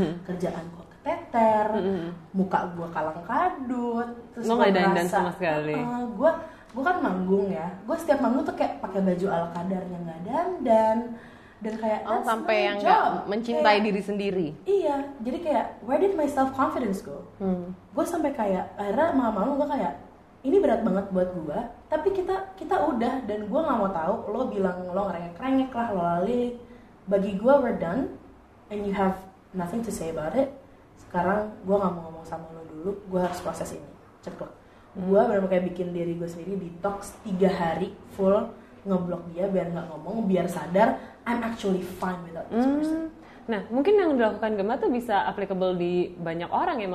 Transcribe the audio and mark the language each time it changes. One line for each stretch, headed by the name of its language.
Indonesian: Kerjaan gue keteter, muka gue kalang kadut, terus lo gak dandan sama sekali. Gue kan manggung ya, gue setiap manggung tuh kayak pakai baju ala kadarnya, gak dandan, dan kayak oh, sampai yang nggak mencintai kayak, diri sendiri. Iya, jadi kayak
English: where did my self confidence go?
Indonesian: Gue sampai kayak akhirnya malam-malam gue kayak ini berat banget buat gue. Tapi kita udah dan gue nggak mau tahu lo bilang lo ngerengek-rengek lah lo lali. Bagi gue
English: we're done and you have nothing to say about it.
Indonesian: Sekarang gue nggak mau ngomong sama lo dulu. Gue harus proses ini cepet. Gue benar-benar kayak bikin diri gue sendiri detox 3 hari full. Ngeblok dia biar gak ngomong, biar sadar
English: I'm actually fine without this person.
Indonesian: Nah, mungkin yang dilakukan Gemma tuh bisa applicable di banyak orang ya.